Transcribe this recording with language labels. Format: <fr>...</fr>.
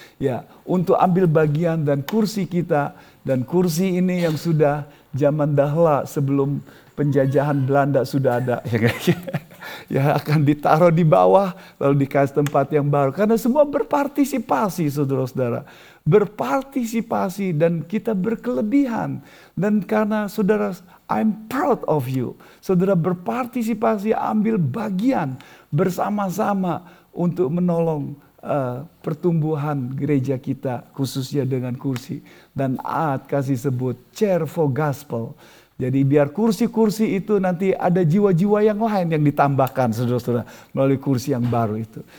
<id>Ya, untuk ambil bagian dan kursi kita dan kursi ini yang sudah zaman dahla sebelum penjajahan Belanda sudah ada. Ya akan ditaruh di bawah lalu dikasih tempat yang baru. Karena semua berpartisipasi saudara-saudara. Berpartisipasi dan kita berkelebihan. Dan karena saudara,</id> <en>I'm proud of you.</en> <id>Saudara berpartisipasi, ambil bagian bersama-sama untuk menolong pertumbuhan gereja kita, khususnya dengan kursi. Dan Aad kasih sebut</id> <en>chair for gospel.</en> <id>Jadi biar kursi-kursi itu nanti ada jiwa-jiwa yang lain yang ditambahkan, saudara-saudara, melalui kursi yang baru itu.</id>